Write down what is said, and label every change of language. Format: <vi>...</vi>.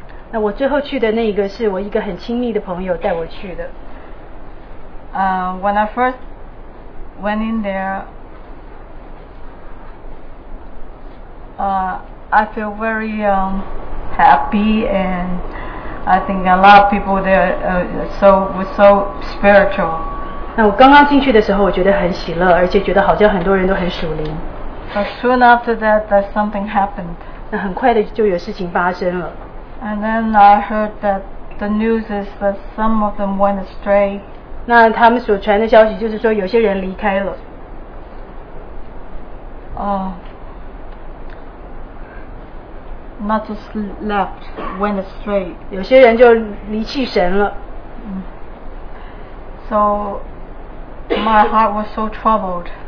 <zh>那我最后去的那一个是我一个很亲密的朋友带我去的。</zh> <en>When I first went in there, I feel very happy and I think a lot of people there were so spiritual.</en> <zh>那我刚刚进去的时候，我觉得很喜乐，而且觉得好像很多人都很属灵。</zh> <en>But soon after that, that something happened.</en> <zh>那很快的就有事情发生了。</zh> <en>And then I heard that the news is that some of them went astray.</en> <zh>那他们所传的消息就是说有些人离开了。</zh> <en>Not just left, went astray.</en> <zh>有些人就离弃神了。</zh> <en>So my heart was so troubled.</en>